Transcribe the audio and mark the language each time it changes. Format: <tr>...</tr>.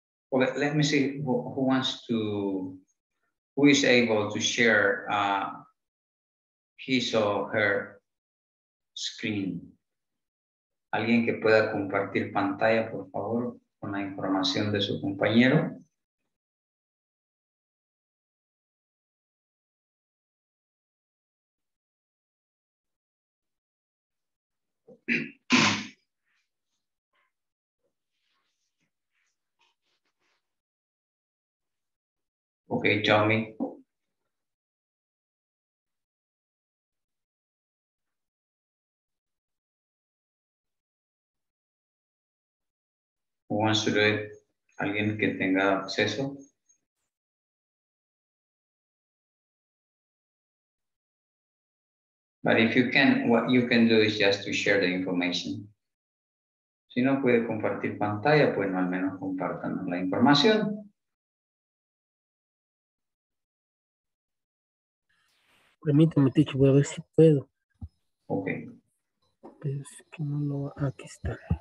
<en>Well, let me see who wants to, who is able to share his or her screen.</en> <es>Alguien que pueda compartir pantalla, por favor, con la información de su compañero.</es> <en>Okay, Tommy. Who wants to do it?</en> <es>Alguien que tenga acceso.</es> <en>Ok, But if you can, what you can do is just to share the information.</en> <es>Si no puede compartir pantalla, pues no, al menos compartan la información. Permítame, teacher, voy a ver si puedo.</es> <en>Ok.</en> <es>Es que no lo, aquí está.</es>